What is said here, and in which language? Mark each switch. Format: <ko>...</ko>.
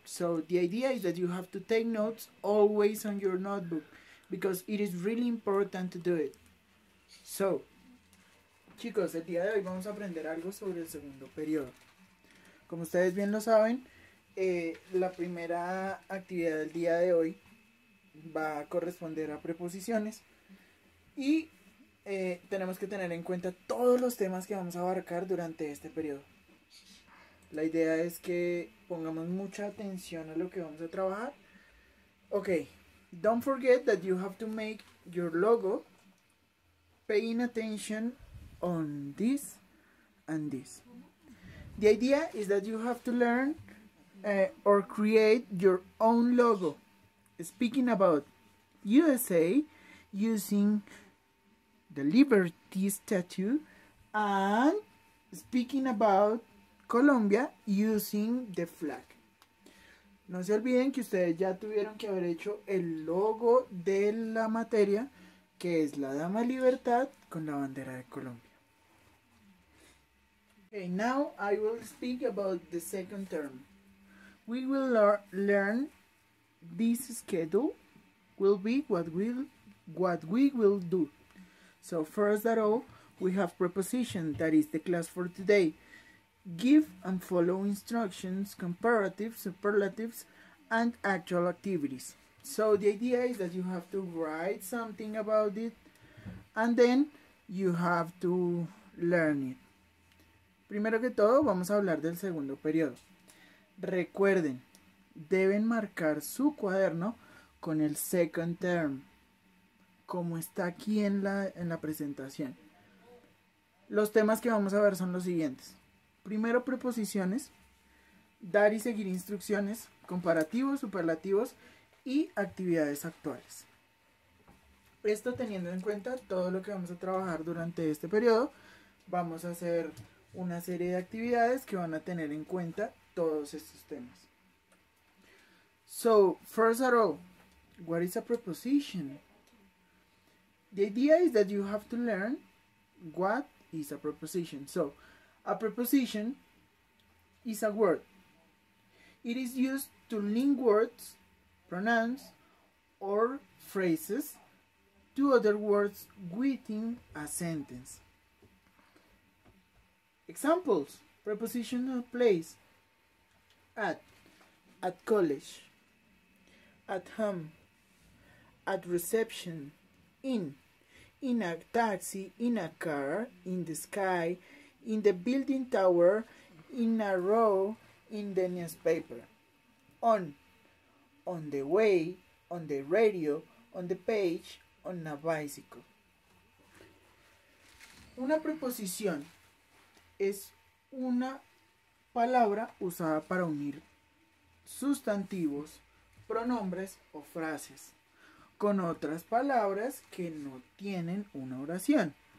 <en>So the idea is that you have to take notes always on your notebook, because it is really important to do it.</en> <es>So, chicos, el día de hoy vamos a aprender algo sobre el segundo periodo. Como ustedes bien lo saben, la primera actividad del día de hoy va a corresponder a preposiciones. Y tenemos que tener en cuenta todos los temas que vamos a abarcar durante este periodo. La idea es que pongamos mucha atención a lo que vamos a trabajar.</es> <en>Ok, don't forget that you have to make your logo. Paying attention on this and this. The idea is that you have to learn or create your own logo. Speaking about USA, using the Liberty Statue, and speaking about Colombia, using the flag.</en> <es>No se olviden que ustedes ya tuvieron que haber hecho el logo de la materia, que es la Dama Libertad con la bandera de Colombia.</es> <en>Okay, now I will speak about the second term. We will learn this schedule will be what we will do. So first of all, we have preposition, that is the class for today. Give and follow instructions, comparatives, superlatives, and actual activities. So the idea is that you have to write something about it, and then you have to learn it.</en> <es>Primero que todo, vamos a hablar del segundo periodo. Recuerden, deben marcar su cuaderno con el</es> <en>second term,</en> <es>como está aquí en la presentación. Los temas que vamos a ver son los siguientes. Primero, preposiciones. Dar y seguir instrucciones. Comparativos, superlativos y actividades actuales. Esto teniendo en cuenta todo lo que vamos a trabajar durante este periodo, vamos a hacer una serie de actividades que van a tener en cuenta todos estos temas.</es> <en>So, first of all, what is a preposition? The idea is that you have to learn what is a preposition. So, a preposition is a word. It is used to link words, pronouns, or phrases to other words within a sentence. Examples: preposition of place, at college, at home, at reception, in a taxi, in a car, in the sky, in the building tower, in a row, in the newspaper, on the way, on the radio, on the page, on a bicycle.</en> <es>Una preposición es una palabra usada para unir sustantivos, pronombres o frases con otras palabras que no tienen una oración.</es>